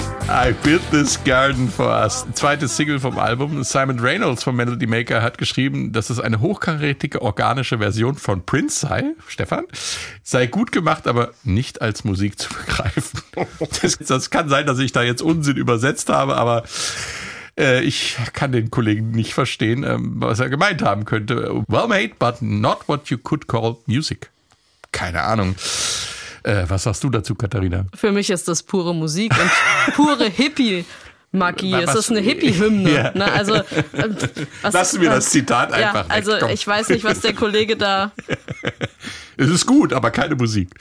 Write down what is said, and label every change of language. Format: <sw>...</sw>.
<en>I built this garden for us.</en> <de>Zweite Single vom Album. Simon Reynolds von Melody Maker hat geschrieben, dass es eine hochkarätige, organische Version von Prince sei. Stefan, sei gut gemacht, aber nicht als Musik zu begreifen. Das kann sein, dass ich da jetzt Unsinn übersetzt habe, aber ich kann den Kollegen nicht verstehen, was er gemeint haben könnte.</de> <en>Well made, but not what you could call music.</en> <de>Keine Ahnung. Was sagst du dazu, Katharina? Für mich ist das pure Musik und pure Hippie-Magie. Es ist eine Hippie-Hymne. Ja. Also, lassen wir das Zitat einfach weg. Also komm. Ich weiß nicht, was der Kollege da... Es ist gut, aber keine Musik.</de>